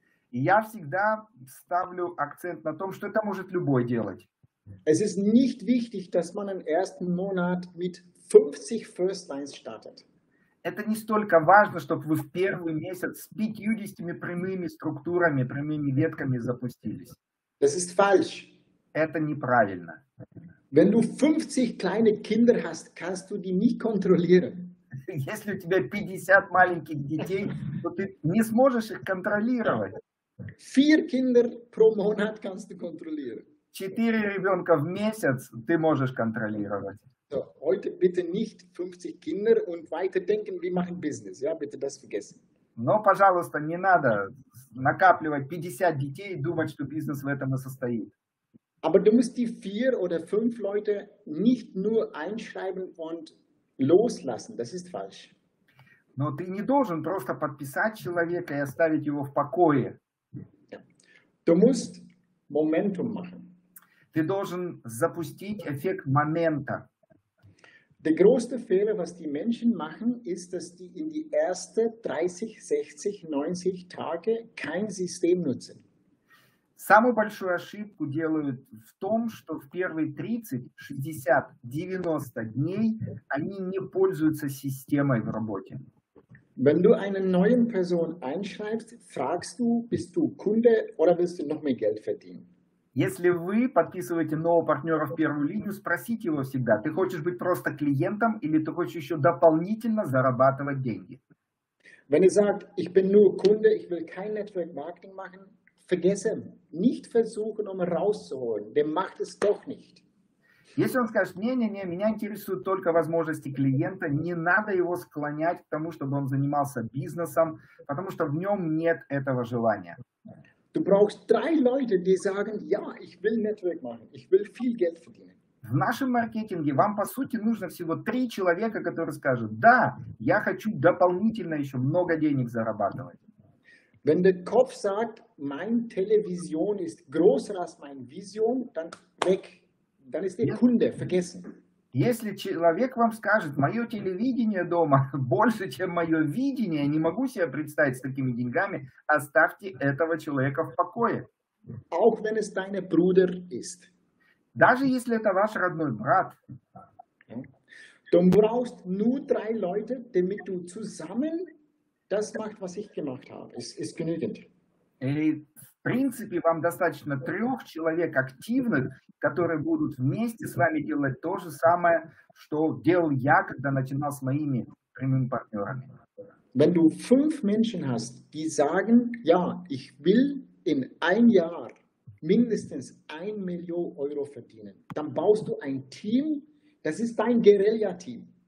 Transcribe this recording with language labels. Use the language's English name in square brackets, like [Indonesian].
[Russian] Я всегда ставлю акцент на том, что это может любой делать. [German] Es ist nicht wichtig, dass man im ersten Monat mit [English] 50 first lines started. [Russian] Это не столько важно, чтобы вы в первый месяц с 50 прямыми структурами, прямыми ветками запустились. [German] Das ist falsch. [Russian] Это неправильно. [German] Wenn du 50 kleine Kinder hast, kannst du die nicht kontrollieren. [Russian] Если у тебя 50 маленьких детей, то ты не сможешь их контролировать. [German] 4 Kinder pro Monat kannst du kontrollieren. [Russian] 4 ребенка в месяц ты можешь контролировать. [German] So, heute bitte nicht 50 Kinder und weiterdenken, wir machen Business. Ja, bitte das vergessen. [Russian] Но, пожалуйста, не надо накапливать 50 детей и думать, что бизнес в этом и состоит. [German] Aber du musst die 4 oder 5 Leute nicht nur einschreiben und loslassen. Das ist falsch. [Russian] Но ты не должен просто подписать человека и оставить его в покое. [German] Du musst Momentum machen. [Russian] Ты должен запустить эффект момента. [German] Der größte Fehler, was die Menschen machen, ist, dass die in die ersten 30, 60, 90 Tage kein System nutzen. [Russian] Самую большую ошибку делают в том, что в первые 30, 60, 90 дней они не пользуются системой в работе. [German] Wenn du eine neue Person einschreibst, fragst du, bist du Kunde oder willst du noch mehr Geld verdienen? [Russian] Если вы подписываете нового партнера в первую линию, спросите его всегда, ты хочешь быть просто клиентом или ты хочешь еще дополнительно зарабатывать деньги? [German] Wenn er sagt, ich bin nur Kunde, ich will kein Network Marketing machen, vergessen, nicht versuchen, um rauszuholen, der macht es doch nicht. [Russian] Если он скажет, не-не-не, меня интересуют только возможности клиента, не надо его склонять к тому, чтобы он занимался бизнесом, потому что в нем нет этого желания. [German] Du brauchst drei Leute, die sagen, ja, ich will Network machen, ich will viel Geld verdienen. [Russian] В нашем маркетинге вам, по сути, нужно всего три человека, которые скажут, да, я хочу дополнительно еще много денег зарабатывать. [German] Wenn der Kopf sagt, mein Television ist größer als mein Vision, dann weg, dann ist der Kunde vergessen. [Russian] Если человек вам скажет, мое телевидение дома больше, чем мое видение, не могу себе представить с такими деньгами, оставьте этого человека в покое. [German] Auch wenn es dein Bruder ist. [Russian] Даже если это ваш родной брат. [German] Du brauchst nur drei Leute, damit du zusammen das machst, was ich gemacht habe. Es ist genügend. [Russian] В принципе, вам достаточно трех человек активных, которые будут вместе с вами делать то же самое, что делал я, когда начинал с моими прямыми партнерами. [German] Wenn du fünf Menschen hast, die sagen, ja, ich will in ein Jahr mindestens 1 Million Euro verdienen, dann baust du ein Team, das ist dein Guerilla-Team.